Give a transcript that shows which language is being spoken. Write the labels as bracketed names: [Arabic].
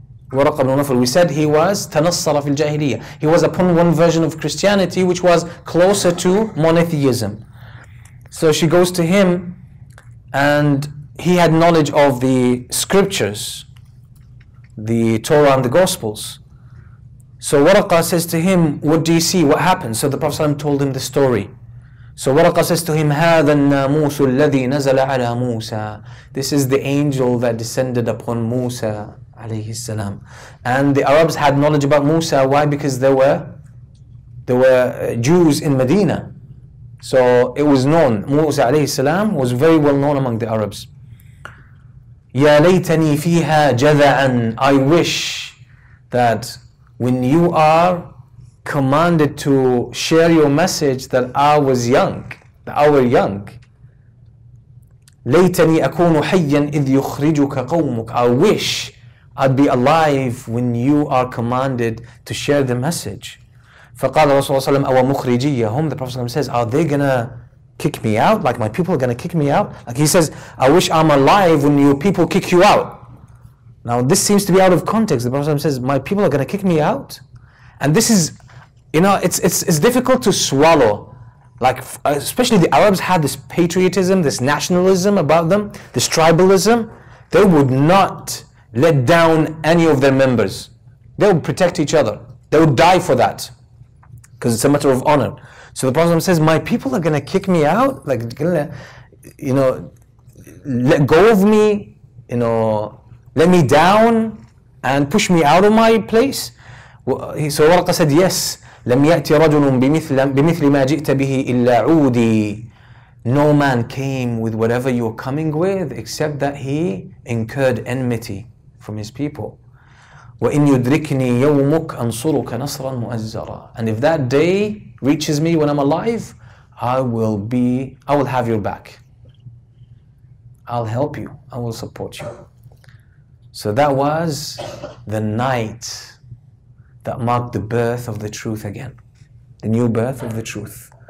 [English] Waraqa ibn Nawfal, we said he was tanassara fil jahiliyyah. He was upon one version of Christianity, which was closer to monotheism. So she goes to him, and he had knowledge of the scriptures, the Torah and the Gospels. So Waraqa says to him, what do you see? What happened? So the Prophet ﷺ told him the story. So Waraqa says to him, [Arabic] هذا الناموس الذي نزل على موسى. [English] This is the angel that descended upon Musa عليه السلام. And the Arabs had knowledge about Musa. Why? Because there were Jews in Medina. So it was known. Musa عليه السلام was very well known among the Arabs. [Arabic] يا ليتني فيها جذعا. [English] I wish that when you are commanded to share your message, that I was young, that I were young. [Arabic] ليتني أكون حيا إذ يخرجك قومك. [English] I wish I'd be alive when you are commanded to share the message. [Arabic] فقال رسول الله صلى الله عليه وسلم أو مخرجية هم. [English] The Prophet says, are they gonna kick me out? Like my people are gonna kick me out? Like he says, I wish I'm alive when your people kick you out. Now this seems to be out of context. The Prophet says, my people are gonna kick me out, and this is, you know, it's difficult to swallow. Like, especially the Arabs had this patriotism, this nationalism about them, this tribalism. They would not let down any of their members. They would protect each other. They would die for that, because it's a matter of honor. So the Prophet says, my people are going to kick me out? Like, gonna, you know, let go of me, you know, let me down and push me out of my place? So Waraqa said, yes. [Arabic] لم يأتي رجل بمثل ما جئت به إلا عودي. [English] No man came with whatever you're coming with except that he incurred enmity from his people. [Arabic] وإن يدركني يومك أنصرك نصرا مؤزرا. [English] And if that day reaches me when I'm alive, I will have your back. I'll help you. I will support you. So that was the night that marked the birth of the truth again, the new birth of the truth.